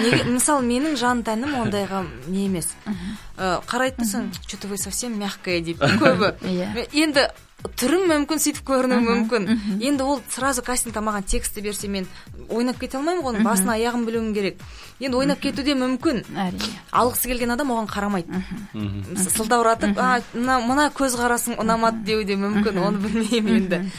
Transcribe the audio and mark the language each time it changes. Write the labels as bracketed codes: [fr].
[kk] Мысалы, менің жан тәнім ондайға не емес. Қарайтысың, [ru] что-то вы совсем мягкая [kk] дейді көбі. Иә. Енді түрім мүмкін, сөйтіп көрінуі мүмкін. Енді ол сразу кастингте маған текстті берсе, мен ойнап кете алмаймын ғой, оның басын аяғын білуім керек. Енді ойнап кету де мүмкін. Әрине. Алғысы келген адам оған қарамайды. Сылдауратып, мына көз қарасың ұнамады деу де мүмкін, оны білмеймін енді.